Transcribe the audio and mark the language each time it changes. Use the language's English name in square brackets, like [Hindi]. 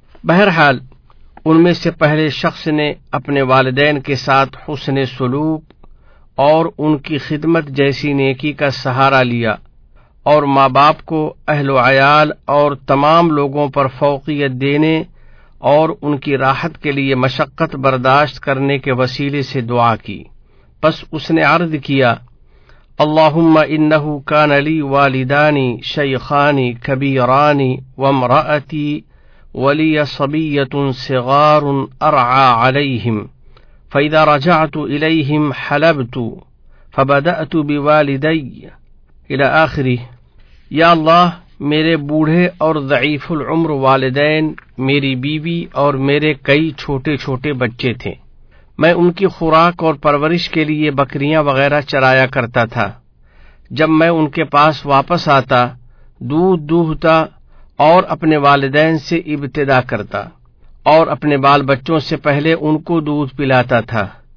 [Urdu] بہرحال ان میں سے پہلے شخص نے اپنے والدین کے ساتھ حسن سلوک اور ان کی خدمت جیسی نیکی کا سہارا لیا اور ماں باپ کو، اہل و عیال اور تمام لوگوں پر فوقیت دینے اور ان کی راحت کے لیے مشقت برداشت کرنے کے وسیلے سے دعا کی. پس اس نے عرض کیا: [Arabic] اللهم انه كان لي والدان شيخان كبيران وامرأتي ولي صبية صغار أرعى عليهم، فإذا رجعت إليهم حلبت فبدأت بوالدي إلى آخره. [Urdu] يا الله، میرے بوڑھے اور ضعیف العمر والدین، میری بیوی اور میرے کئی چھوٹے چھوٹے بچے تھے. میں ان کی خوراک اور پرورش کے لیے بکریاں وغیرہ چرایا کرتا تھا. جب میں ان کے پاس واپس آتا، دودھ دوہتا اور اپنے والدین سے ابتدا کرتا اور اپنے بال بچوں سے پہلے ان کو دودھ پلاتا تھا.